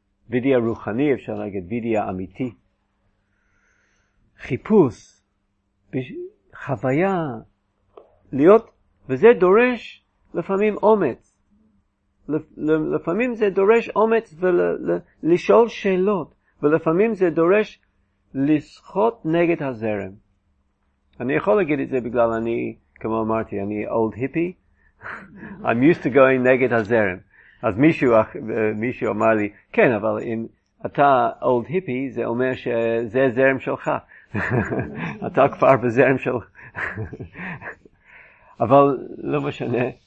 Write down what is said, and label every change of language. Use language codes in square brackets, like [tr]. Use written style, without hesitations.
[he] וידיה רוחני, אפשר להגיד, וידיה אמיתי. חיפוש, חוויה, להיות, וזה דורש לפעמים אומץ. לפעמים זה דורש אומץ ולשאול שאלות, ולפעמים זה דורש לשחות נגד הזרם. אני יכול להגיד את זה בגלל אני, כמו אמרתי, אני [en] old hippie. I'm used to going [he] נגד הזרם. אז מישהו אמר לי, כן, אבל אם אתה [en] old hippie, [he] זה אומר שזה זרם שלך. אתה כבר בזרם שלך. אבל לא משנה.